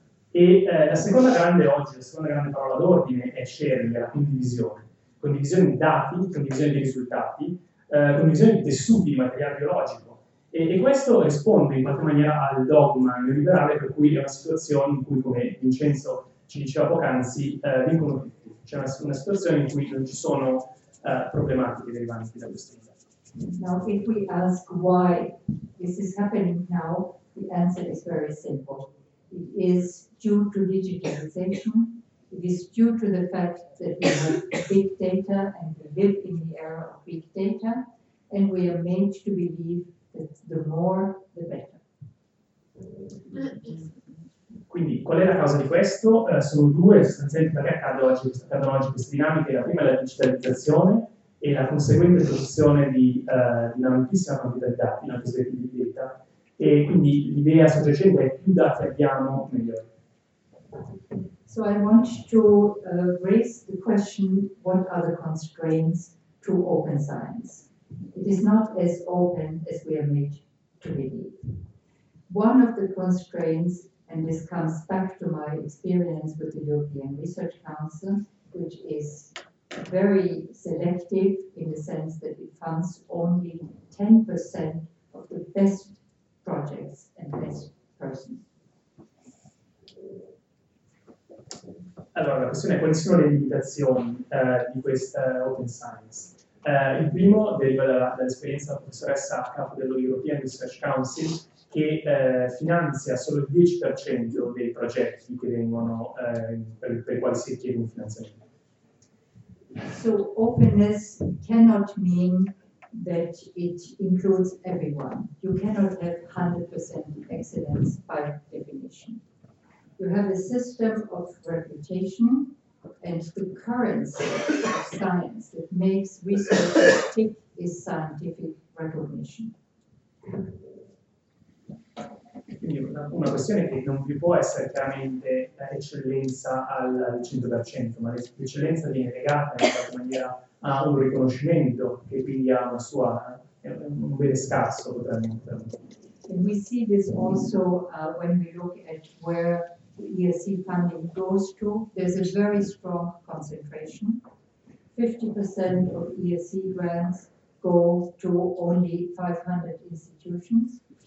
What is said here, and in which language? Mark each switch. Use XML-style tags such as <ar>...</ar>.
<it>La seconda grande parola d'ordine è sharing, la condivisione di dati, condivisione di risultati, condivisione di tessuti, di materiale biologico. E questo risponde in qualche maniera al dogma neoliberale, per cui è una situazione in cui, come Vincenzo ci diceva poc'anzi, vincono tutti. C'è una situazione in cui non ci sono problematiche derivanti da questo.</it> <en>Now, if we ask why this is happening now, the answer is very simple. It is due to digitalization. It is due to the fact that we have big data and we live in the era of big data, and we are made to believe the more, the better.</en> <it>Quindi, qual è la causa di questo? Sono due sostanzialmente perché accade oggi questa dinamica. La prima è la digitalizzazione, e la conseguente produzione di una moltissima quantità di dati, una cosiddetta big data. E quindi l'idea sottocente è più dati abbiamo, meglio.</it> <en>So I want to raise the question, what are the constraints to open science? It is not as open as we are made to believe. One of the constraints, and this comes back to my experience with the European Research Council, which is very selective in the sense that it funds only 10% of the best projects and best persons.</en> <it>Allora, la questione è quali sono le limitazioni di questa Open Science. Il primo deriva dall'esperienza della professoressa a capo dello European Research Council, che finanzia solo il 10% dei progetti che vengono, per i quali si richiede un finanziamento.</it> <en>So openness cannot mean that it includes everyone. You cannot have 100% excellence by definition. You have a system of reputation and the currency of science that makes research tick is scientific recognition.</en> <it>Quindi una questione che non vi può essere chiaramente l'eccellenza al 100%, ma l'eccellenza viene legata in qualche maniera a un riconoscimento che quindi ha una sua, un bene scarso, potremmo.</it> <en>And we see this also when we look at where ESC funding goes to, there's a very strong concentration. 50% of ESC grants go to only 500 institutions.</en>